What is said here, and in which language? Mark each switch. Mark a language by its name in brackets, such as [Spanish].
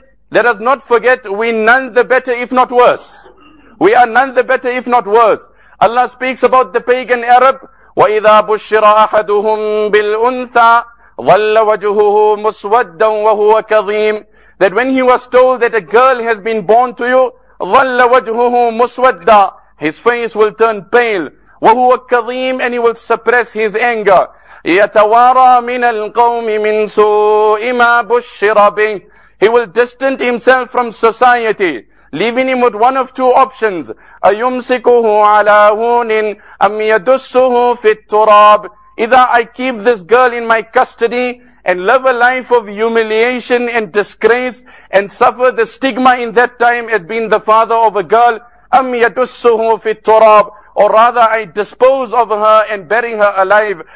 [English] Let us not forget, we none the better if not worse. We are none the better if not worse. Allah speaks about the pagan Arab, [Arabic] وَإِذَا بُشِّرَ أَحَدُهُمْ بِالْأُنْثَى ظَلَّ وَجُهُهُ مُسْوَدًّا وَهُوَ كَظِيمٌ. [English] That when he was told that a girl has been born to you, [Arabic] ظَلَّ وَجْهُهُ مُسْوَدًّا, [English] his face will turn pale, [Arabic] وَهُوَ كَظِيمٌ, [English] and he will suppress his anger. [Arabic] يَتَوَارَى مِنَ الْقَوْمِ مِنْ سُوءِ مَا بُشِّرَ بِهِ. [English] He will distance himself from society, leaving him with one of two options. [Arabic] أَيُمْسِكُهُ عَلَى هُونٍ أَمْ يَدُسُّهُ فِي التُّرَابِ. [English] Either I keep this girl in my custody and live a life of humiliation and disgrace and suffer the stigma in that time as being the father of a girl, [Arabic] أَمْ يَدُسُّهُ فِي التُّرَابِ, [English] or rather I dispose of her and bury her alive.